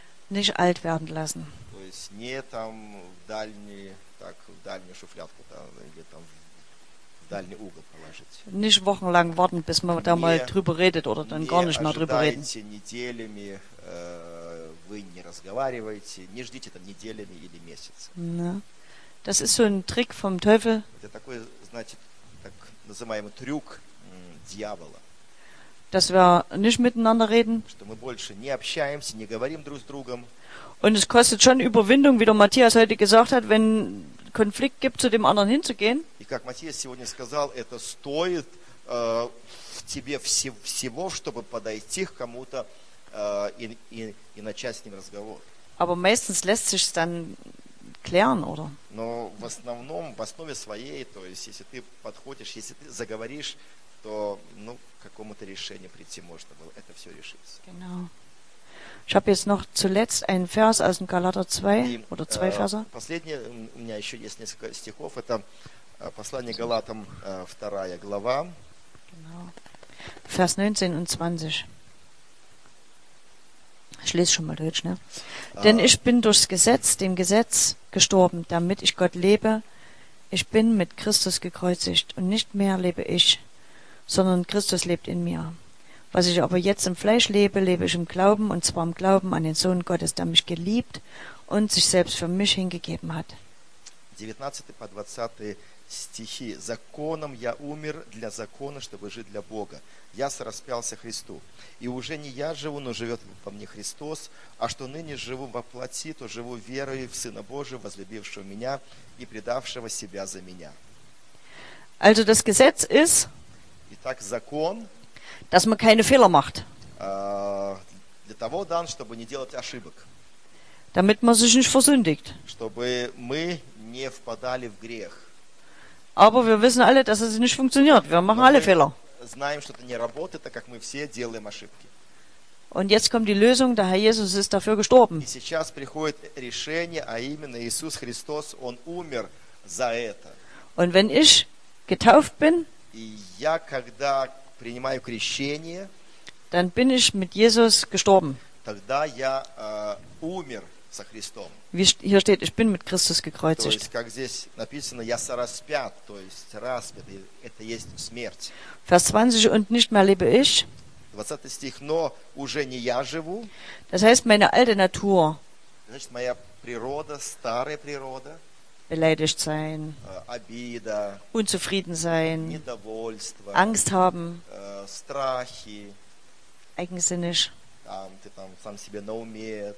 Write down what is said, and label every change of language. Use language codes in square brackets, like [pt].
[de] nicht alt werden lassen. [ru] То есть не там в дальний, так, в дальнюю шуфлядку, да, или там в дальний угол положить. [de] Nicht wochenlang warten, bis man da mal drüber redet oder dann gar nicht mehr drüber reden. [ru] Не ожидайте неделями, вы не разговариваете, не ждите там неделями или месяцами. No. [de] Das ist so ein Trick vom Teufel. [ru] Это такой, значит, так называемый трюк дьявола. [de] Dass wir nicht miteinander reden. [ru] Что мы больше не общаемся, не говорим друг с другом. [de] Und es kostet schon Überwindung, wie der Matthias heute gesagt hat, wenn Konflikt gibt, zu dem anderen hinzugehen. [ru] И как Матиас сегодня сказал, это стоит тебе всего, чтобы подойти к кому-то и начать с ним разговор. [de] Aber meistens lässt sich dann klären, oder? [ru] Но в основном, в основе своей, то есть, если ты подходишь, если ты заговоришь, то, ну, к какому-то решению прийти можно было, это все решится. [de] Genau. Ich habe jetzt noch zuletzt einen Vers aus dem Galater 2, oder zwei Verse. [ru] Последний, у меня еще есть несколько стихов, это послание Галатам, вторая глава. [de] Genau. Vers 19 und 20. Ich lese schon mal Deutsch, ne? Denn ich bin durchs Gesetz, dem Gesetz, gestorben, damit ich Gott lebe. Ich bin mit Christus gekreuzigt und nicht mehr lebe ich, sondern Christus lebt in mir. Was ich aber jetzt im Fleisch lebe, lebe ich im Glauben, und zwar im Glauben an den Sohn Gottes, der mich geliebt und sich selbst für mich hingegeben hat. [ru] 19 по 20 стихи. Законом я умер для закона, чтобы жить для Бога. Я сораспялся Христу. И уже не я живу, но живет во мне Христос, а что ныне живу во плоти, то живу верою в Сына Божия, возлюбившего меня и предавшего себя за меня. [de] Also das Gesetz ist, [ru] итак, закон, [de] dass man keine Fehler macht. [ru] Для того дан, чтобы не делать ошибок. [de] Damit man sich nicht versündigt. [ru] Чтобы мы не впадали в грех. [de] Aber wir wissen alle, dass es nicht funktioniert. Wir machen alle Fehler. [ru] Знаем, что это не работает, так как мы все делаем ошибки. [de] Und jetzt kommt die Lösung, der Herr Jesus ist dafür gestorben. [ru] И сейчас приходит решение, а именно Иисус Христос, Он умер за это. [de] Und wenn ich getauft bin, [ru] и я когда принимаю крещение, [de] dann bin ich mit Jesus gestorben. [ru] Тогда я умер со Христом. [de] Wie hier steht, ich bin mit Christus gekreuzigt. [ru] То есть, как здесь написано, я сораспят, то есть распят, это есть смерть. [de] Vers 20, und nicht mehr lebe ich. [ru] 20 стих, но уже не я живу. [de] Das heißt, meine alte Natur. [ru] Значит, моя природа, старая природа. [de] Beleidigt sein. [ru] Обида. [de] Unzufrieden sein. [ru] Недовольство. [de] Angst haben. [ru] Страхи. [de] Eigensinnig. [ru] Там, ты там сам себе на уме.